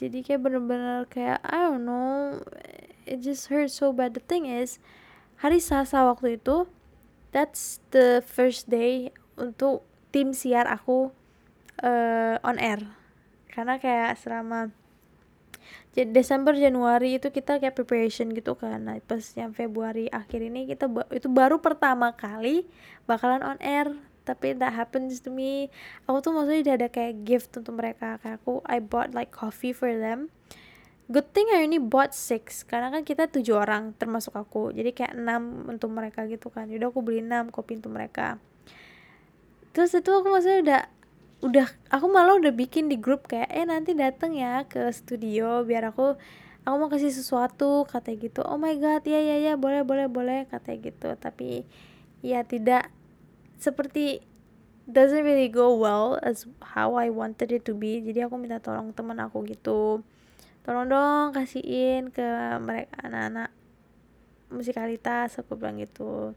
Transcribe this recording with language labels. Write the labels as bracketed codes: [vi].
[id] Jadi kayak benar-benar kayak [en] I don't know, it just hurts so bad. The thing is, [id] hari Selasa waktu itu, [en] that's the first day [id] untuk tim siar aku [en] on air. [id] Karena kayak selama Desember, Januari itu kita kayak preparation gitu kan. Nah, pas yang Februari akhir ini kita itu baru pertama kali bakalan on air. Tapi [en] that happens to me. [id] Aku tuh maksudnya udah ada kayak gift untuk mereka. Kayak aku, [en] I bought like coffee for them. Good thing I only bought 6, [id] karena kan kita 7 orang termasuk aku, jadi kayak 6 untuk mereka gitu kan. Yaudah aku beli 6 kopi untuk mereka. Terus itu aku maksudnya udah aku malah udah bikin di grup kayak nanti datang ya ke studio biar aku mau kasih sesuatu, katanya gitu. [en] Oh my god, [id] ya boleh, katanya gitu. Tapi ya tidak, seperti [en] doesn't really go well as how I wanted it to be. [id] Jadi aku minta tolong teman aku gitu, tolong dong kasihin ke mereka anak-anak musikalitas, aku bilang gitu.